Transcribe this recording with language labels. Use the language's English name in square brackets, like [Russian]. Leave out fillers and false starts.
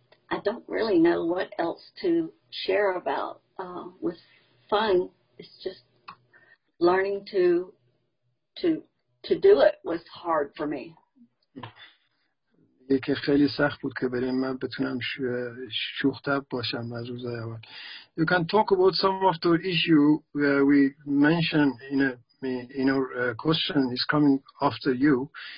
[English] I don't really know what else to share about with fun. It's just learning to do it was hard for me. [Persian] یکی خیلی سخت بود که برای من بتونم شوخ‌طبع باشم از روزهای اول. [English] You can talk about some of the issue where we mentioned in our question is coming after you.